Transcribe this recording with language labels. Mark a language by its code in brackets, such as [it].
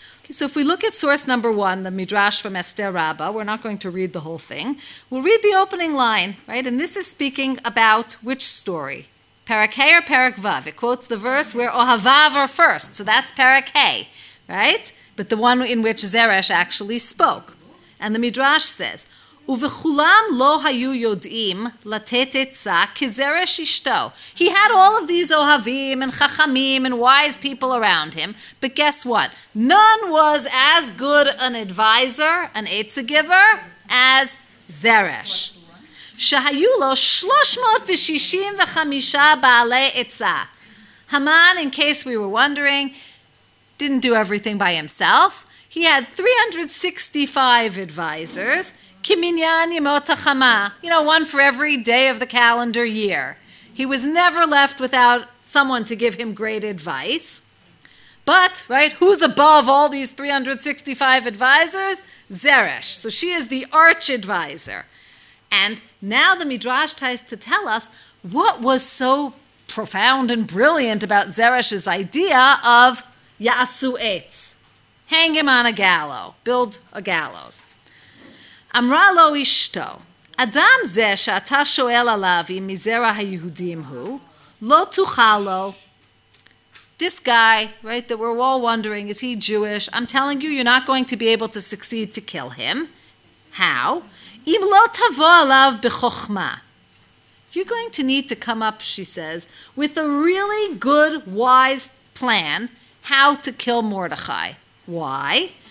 [en] So if we look at source number one, the Midrash from Esther Rabbah, we're not going to read the whole thing. We'll read the opening line, right? And this is speaking about which story? Perek Hay or Perek Vav? It quotes the verse where Ohavav are first. So that's Perek Hay, right? But the one in which Zeresh actually spoke. And the Midrash says, [he] ובכולם לא היו יודעים לתת עצה כזרש אשתו. [en] He had all of these אוהבים and חכמים and wise people around him, but guess what? None was as good an advisor, an עצה giver, as זרש. [he] שהיו לו 365 בעלי עצה. [en] Haman, in case we were wondering, didn't do everything by himself. He had 365 advisors, [he] כמניין ימות החמה, [en] you know, one for every day of the calendar year. He was never left without someone to give him great advice. But, right, who's above all these 365 advisors? Zeresh. So she is the arch advisor. And now the Midrash tries to tell us what was so profound and brilliant about Zeresh's idea of Ya'asu Etz. Hang him on a gallows. Build a gallows. [he] אמרה לו אשתו, אדם זה שאתה שואל עליו אם מזרע היהודים הוא, לא תוכל לו. [en] This guy, right, that we're all wondering, is he Jewish? I'm telling you, you're not going to be able to succeed to kill him. How? [he] אם לא תבוא עליו בחוכמה. [en] You're going to need to come up, she says, with a really good, wise plan how to kill Mordechai. Why?